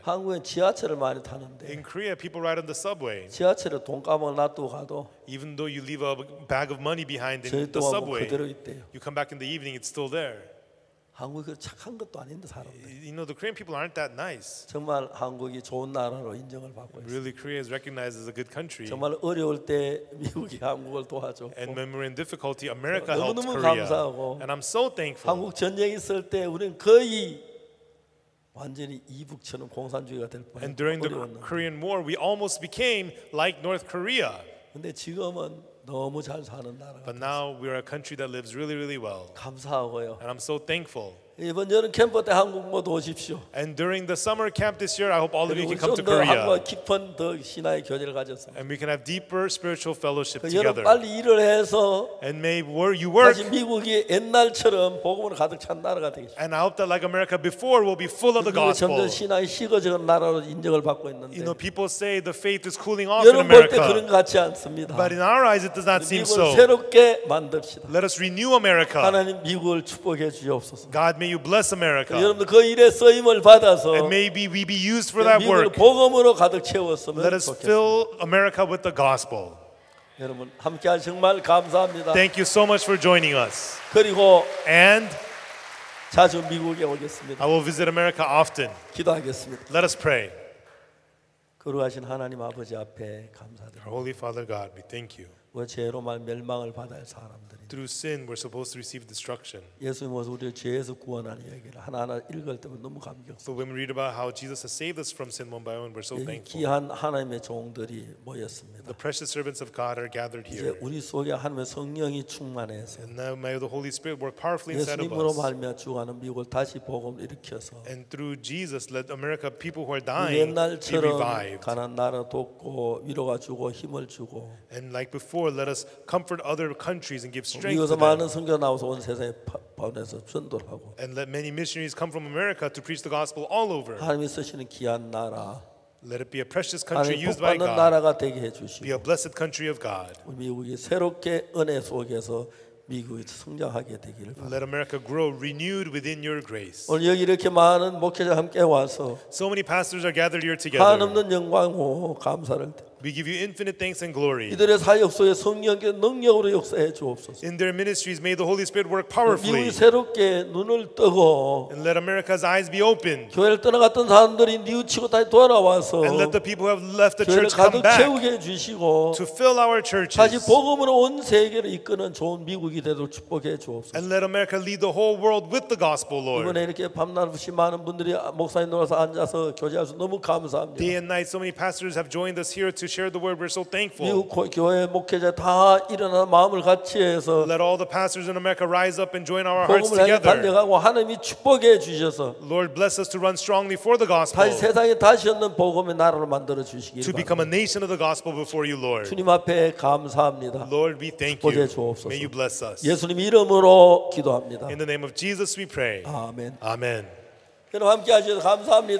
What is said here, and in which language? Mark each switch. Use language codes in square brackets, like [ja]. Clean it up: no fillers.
[ko] 한국에 지하철을 많이 타는데. [en] In Korea, people ride on the subway. [ko] 지하철에 돈가방을 놔두고 가도. [en] Even though you leave a bag of money behind in the subway, [ko] 그대로 있대요. [en] You come back in the evening, it's still there. [ko] 한국이 착한 것도 아닌데 사람들. [en] You know the Korean people aren't that nice. [ko] 정말 한국이 좋은 나라로 인정을 받고 있어요. [en] Really, Korea is recognized as a good country. [ko] 정말 어려울 때 미국이 한국을 도와줘. [en] And when we're in difficulty, America helped Korea. [ko] 감사하고. [en] And I'm so thankful. [ko] 한국 전쟁 있을 때 우리는 거의 완전히 이북처럼 공산주의가 될 뻔. [en] And during the Korean War, we almost became like North Korea. [ko] 근데 지금은 너무 잘 사는 나라. [en] But now we are a country that lives really, really well. [ko] 감사하고요. [en] And I'm so thankful. [ko] 이번 여름 캠프 때 한국 모두 오십시오. [en] And during the summer camp this year, I hope all of you can come to Korea. [ko] 한국과 깊은 더 신앙의 교제를 가져서. [en] And we can have deeper spiritual fellowship together. [ko] 여러분 빨리 일을 해서. [en] And may where you work. [ko] 다시 미국이 옛날처럼 복음으로 가득 찬 나라가 되겠죠. [en] And I hope that like America before, we'll be full of the gospel. [ko] 점점 신앙이 식어지는 나라로 인정을 받고 있는데. [en] You know, people say the faith is cooling off in [ko] 여러분 볼 때 그런 것 같지 않습니다. [en] But in our eyes, it does not seem so. [ko] 미국을 새롭게 만듭시다. [en] Let us renew America. [ko] 하나님 미국을 축복해 주옵소서. [en] God may You bless America. [ko] 여러분 그 일에 쓰임을 받아서. [en] And maybe we be used for that work. [ko] 미국을 복음으로 가득 채웠으면 [en] Let us fill America with the gospel. [ko] 여러분 함께한 정말 감사합니다. [en] Thank you so much for joining us. [ko] 그리고 [en] And [ko] 자주 미국에 오겠습니다. [en] I will visit America often. [ko] 기도하겠습니다. [en] Let us pray. [ko] 그루하신 하나님 아버지 앞에 감사드립니다. [en] Holy Father God, we thank you. [ko] 왜 죄로 말 멸망을 받을 사람 [en] Through sin, we're supposed to receive destruction. [ko] 예수님 와서 우리 죄에서 구원한 이야기를 하나하나 읽을 때면 너무 감격스러워. [en] So when we read about how Jesus has saved us from sin one by one, we're so thankful. [ko] 귀한 하나님의 종들이 모였습니다. [en] The precious servants of God are gathered here. [ko] 우리 속에 하나님의 성령이 충만해서. [en] And now may the Holy Spirit work powerfully inside of us. [ko] 예수님으로 말미암아 주하는 미국을 다시 복음을 일으켜서. [en] And through Jesus, let America people who are dying be revived. [ko] 가난 나라 돕고 위로가 주고 힘을 주고. [en] And like before, let us comfort other countries and give. [ko] 미국에서 많은 선교 나와서 온 세상에 보내서 전도를 하고. [en] And let many missionaries come from America to preach the gospel all over. [ko] 하나님 쓰시는 귀한 나라. [en] Let it be a precious country used by God. [ko] 하나님 나라가 되게 해주시고. [en] Be a blessed country of God. [ko] 우리 미국이 새롭게 은혜 속에서 미국이 성장하게 되기를 바랍니다. [en] Let America grow renewed within Your grace. [ko] 오늘 여기 이렇게 많은 목회자 함께 와서. [en] So many pastors are gathered here together. [ko] 한없는 영광과 감사를. [en] We give you infinite thanks and glory. [ko] 이들의 사역 속에 성령의 능력으로 역사해 주옵소서. [en] In their ministries, may the Holy Spirit work powerfully. [ko] 미국이 새롭게 눈을 뜨고. [en] And let America's eyes be opened. [ko] 교회를 떠나갔던 사람들이 뉘우치고 다시 돌아와서. [en] And let the people who have left the church come back. [ko] 교회를 가득 채우게 주시고. [en] To fill our churches. [ko] 다시 복음으로 온 세계를 이끄는 좋은 미국이 되도록 축복해 주옵소서. [en] And let America lead the whole world with the gospel, Lord. [ko] 이번에 이렇게 밤낮없이 많은 분들이 목사님 놀아서 앉아서 교제하셔서 너무 감사합니다. [en] Day and night, so many pastors have joined us here to. Share the word. We're so thankful. [ko] 미국 교회 목회자 다 일어나 마음을 같이 해서. [en] Let all the pastors in America rise up and join our hearts together. [ko] 복음을 달려가고 하나님이 축복해 주셔서. [en] Lord, bless us to run strongly for the gospel. [ko] 다시 세상에 다시 없는 복음의 나라로 만들어 주시기 바랍니다. [en] To become a nation of the gospel before you, Lord. [ko] 주님 앞에 감사합니다. [en] Lord, we thank you. [ko] 축복해 주옵소서. [en] May you bless us. [ko] 예수님 이름으로 기도합니다. [en] In the name of Jesus, we pray. Amen. Amen. [ko] 여러분 함께 하셔서 감사합니다.